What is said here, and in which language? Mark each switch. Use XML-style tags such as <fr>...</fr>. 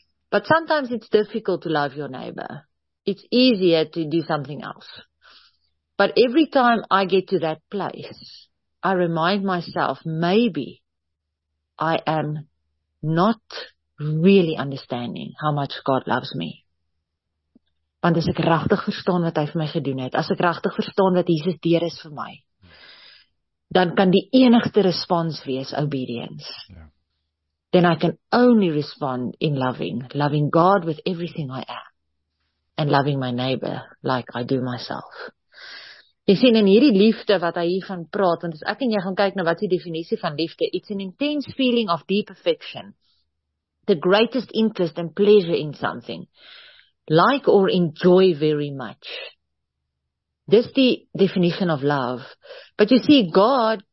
<en>But sometimes it's difficult to love your neighbor. It's easier to do something else. But every time I get to that place, I remind myself, maybe I am not really understanding how much God loves me.</en> <af>Want as ek regtig verstaan wat hy vir my gedoen het, as ek regtig verstaan wat Jesus deur is vir my, dan kan die enigste respons wees obedience.</af> <en>Yeah. Then I can only respond in loving God with everything I am and loving my neighbor like I do myself.</en> <af>Jy sien, in hierdie liefde wat hy hiervan praat, want as ek en jy gaan kyk na wat die definisie van liefde,</af> <en>it's an intense feeling of deep affection, the greatest interest and pleasure in something, like or enjoy very much. This is the definition of love. But you see, God</en>